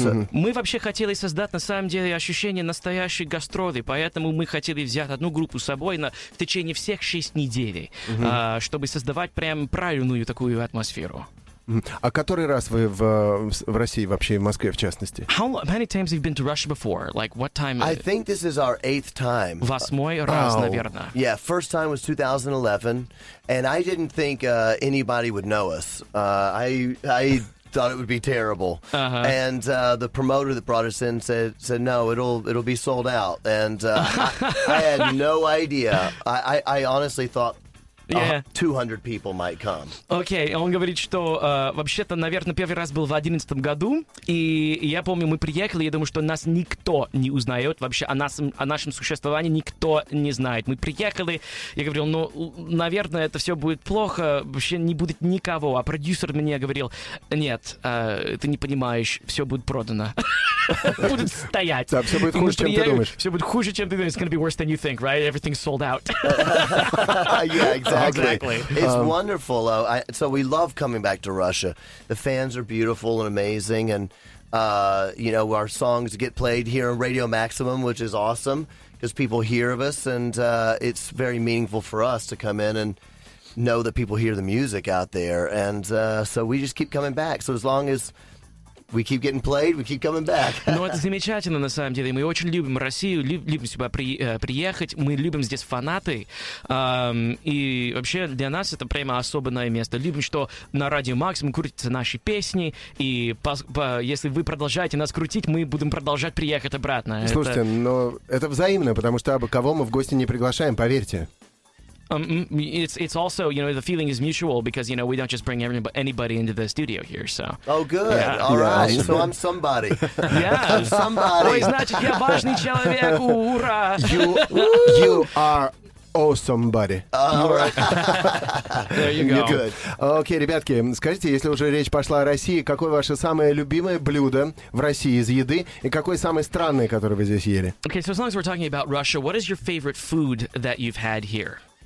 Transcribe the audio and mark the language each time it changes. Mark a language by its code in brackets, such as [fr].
[ru] Мы вообще хотели создать на самом деле ощущение настоящей гастроли, поэтому мы хотели взять одну группу с собой на в течение всех 6 недель, чтобы создавать прям правильную такую атмосферу. А который раз вы в России вообще, в Москве в частности? [en] How many times have you been to Russia before? Like what time? I think this is our eighth time. [ru] Восьмой раз, наверное. [en] Yeah, first time was 2011, and I didn't think anybody would know us. I thought it would be terrible. And the promoter that brought us in said no, it'll be sold out. And I had no idea. I honestly thought. Yeah. 200 people might come. [ru] Okay, он говорит, что вообще-то, наверное, первый раз был в 2011 году, и я помню, мы приехали, я думаю, что нас никто не узнает вообще, о нашем существовании никто не знает. Мы приехали, я говорил, ну, наверное, это все будет плохо, вообще не будет никого, а продюсер мне говорил, нет, ты не понимаешь, все будет продано. Будет стоять. Да, все будет хуже, чем ты думаешь. Все будет хуже, чем ты думаешь. [en] It's going to be worse than you think, right? Everything's sold out. Yeah, exactly. It's wonderful. So we love coming back to Russia. The fans are beautiful and amazing. And, you know, our songs get played here on Radio Maximum, which is awesome because people hear of us. And it's very meaningful for us to come in and know that people hear the music out there. And so we just keep coming back. So as long as... We keep getting played, we keep coming back. [ru] Ну, это замечательно, на самом деле. Мы очень любим Россию, любим сюда приехать. Мы любим здесь фанаты. И вообще для нас это прямо особенное место. Любим, что на Радио Максимум крутятся наши песни. И если вы продолжаете нас крутить, мы будем продолжать приехать обратно. Слушайте, это... но это взаимно, потому что абы кого мы в гости не приглашаем, поверьте. [en] It's also, you know, the feeling is mutual because, you know, we don't just bring anybody into the studio here, so. Oh, good. Yeah. All right. Yeah. So I'm somebody. Yeah. I'm somebody. [ru] Ой, значит, я важный человек. Ура! [en] You are awesome, buddy. All right. There you go. You're good. [ru] Okay, ребятки, скажите, если уже речь пошла о России, какое ваше самое любимое блюдо в России из еды и какое самое странное, которое вы здесь ели? [en] Okay, so as long as we're talking about Russia, what is your favorite food that you've had here?